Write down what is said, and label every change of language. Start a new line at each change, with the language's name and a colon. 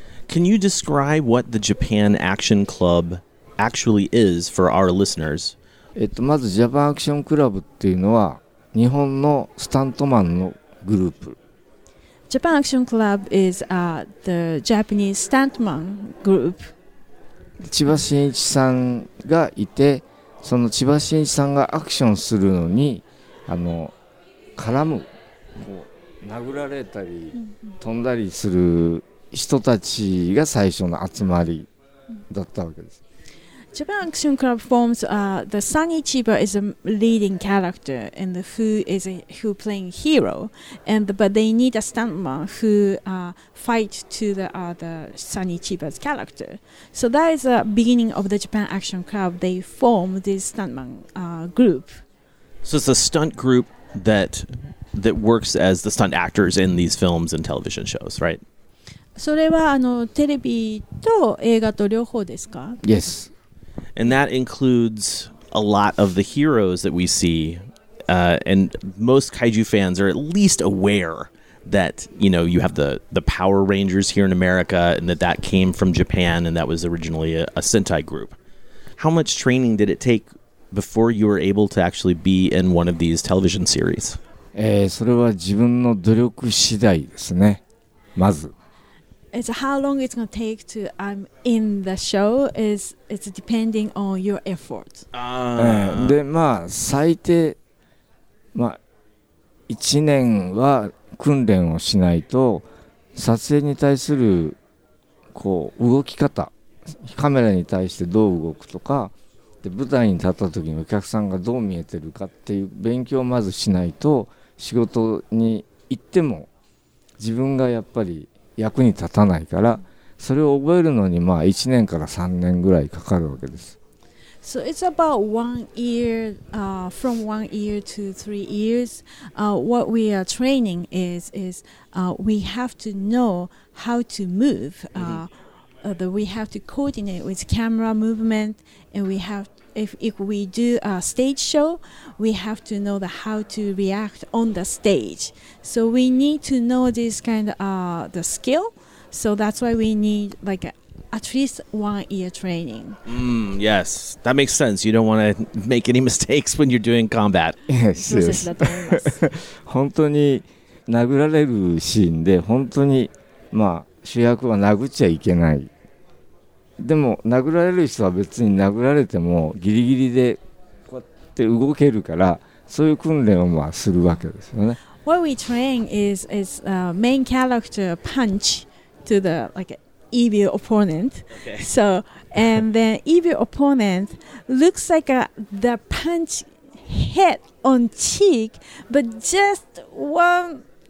English: Can you describe what the Japan Action Club actually is for our listeners?
Japanese: まず Japan Action Club っていうのは日本のスタントマンのグループ。
English: Japan Action Club is the Japanese stuntman group.
Japanese: 千葉真一さんがいて、その千葉真一さんがアクションするのに、絡む、こう殴られたり飛んだりする人たちが最初の集まりだったわけです。
English: Japan Action Club forms the Sunny Chiba is a leading character and who playing hero and but they need a stuntman who fight to the Sunny Chiba's character. So that is the beginning of the Japan Action Club. They form this stuntman group. So it's a stunt group that works as the stunt actors in these films and television shows, right?
Japanese: それはテレビと映画と両方ですか?
English: Yes. And that includes a lot of the heroes that we see. And most kaiju fans are at least aware that, you know, you have the Power Rangers here in America and that came from Japan and that was originally a Sentai group. How much training did it take before you were able to actually be in one of these television series?
Japanese: それは自分の努力次第ですね。まず。
English: It's how long it's going to take to I'm in the show is depending on your effort.
Japanese: で、まあ、最低、まあ、1年は訓練をしないと、撮影に対する、こう、動き方、カメラに対してどう動くとか、で、舞台に立った時にお客さんがどう見えてるかっていう勉強をまずしないと、仕事に行っても、自分がやっぱり、役に立たないから、それを覚えるのにまあ1年から3年ぐらいかかるわけです。
English: So it's about one year, from 1 year to 3 years. What we are training is we have to know how to move. That we have to coordinate with camera movement, and we have if we do a stage show, we have to know the how to react on the stage. So we need to know this kind of the skill. So that's why we need like at least 1 year training. Yes, that makes sense. You don't want to make any mistakes when you're doing combat. Yes, yes.
Japanese: 本当に殴られるシーンで本当にまあ主役は殴っちゃいけない。でも殴られる人は別に殴られてもギリギリでこうやって動けるからそういう訓練をまあするわけですよね。
English: What we train is main character punch to the like evil opponent. Okay. So and then evil opponent looks like the punch hit on cheek, but just one